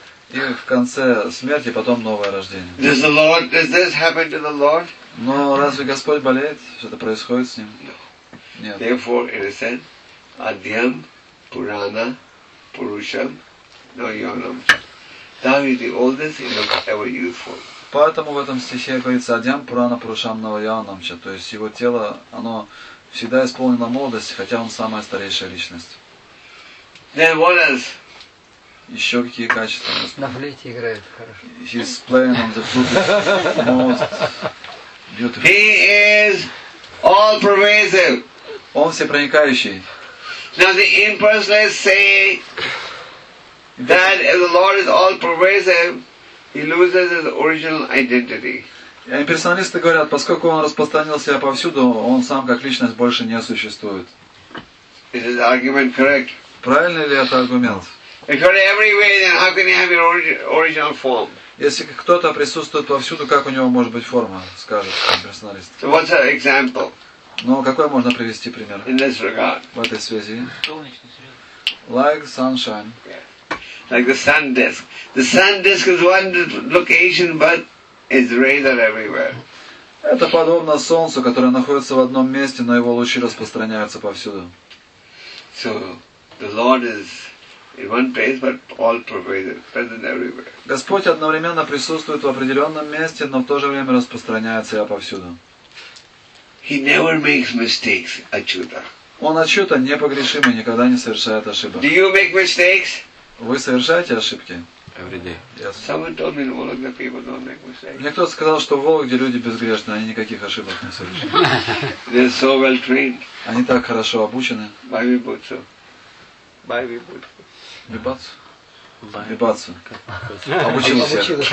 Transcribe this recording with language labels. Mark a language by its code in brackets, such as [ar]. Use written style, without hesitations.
[ru] И в конце смерти, потом новое рождение. [en] Does the Lord, does this happen to the Lord? [ru] Но разве Господь болеет? Что-то происходит с ним? [en] No. [ru] Нет. [en] Therefore, it is said, Adhyam Purana Purusham Nayanam. Thou is the oldest and ever youthful. [ru] Поэтому в этом стихе говорится «Адьям Пурана Пурушам Навайанамча». То есть его тело, оно всегда исполнено молодости, хотя он самая старейшая личность. [en] Then what else? [ru] Еще какие качества? На флейте играет хорошо. [en] He's playing on the flute. He is all pervasive. [ru] Он всепроникающий. [en] Now the impersonalists say that if the Lord is all pervasive, he loses his original identity. [ru] Имперсоналисты говорят, поскольку он распространил себя повсюду, он сам как личность больше не существует. [en] Is this argument correct? [ru] Правильный ли это аргумент? [en] If you're everywhere, then how can you have your original form? [ru] Если кто-то присутствует повсюду, как у него может быть форма, скажет имперсоналист. [en] So what's an example? [ru] Ну, какой можно привести пример? [en] In this regard. [ru] В этой связи. Солнечный свет. [en] Like sunshine. Yeah. Like the sun disk. The sun disk is one location, but it's rays are everywhere. [ru] Это подобно солнцу, которое находится в одном месте, но его лучи распространяются повсюду. [en] So the Lord is in one place, but all pervasive, present everywhere. [ru] Господь одновременно присутствует в определенном месте, но в то же время распространяется и повсюду. [en] He never makes mistakes, Achyuta. [ru] Он Ачюта непогрешимый, никогда не совершает ошибок. [en] Do you make mistakes? [ru] Вы совершаете ошибки? [en] Every day. Yes. Someone told me in Vologda people don't make mistakes. [ru] Мне кто-то сказал, что в Вологде люди безгрешны, они никаких ошибок не совершают. [en] They're so well trained. [ru] Они так хорошо обучены. [en] By Vibhutsu. By Vibhutsu. [ru] Вибацу. Вибацу. Обучил всех.